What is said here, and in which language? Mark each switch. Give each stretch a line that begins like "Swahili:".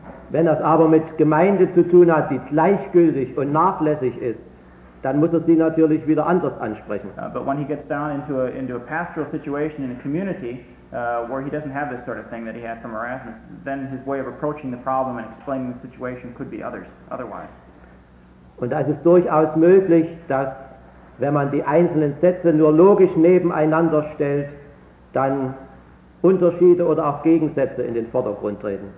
German: Wenn das aber mit Gemeinde zu tun hat, die gleichgültig und nachlässig ist, dann muss er sie natürlich wieder anders ansprechen.
English: But when he gets down into a pastoral situation in a community, where he doesn't have this sort of thing that he had from Erasmus, then his way of approaching the problem and explaining the situation could be otherwise.
German: Und es ist durchaus möglich, dass, wenn man die einzelnen Sätze nur logisch nebeneinander stellt, dann Unterschiede oder auch Gegensätze in den Vordergrund treten.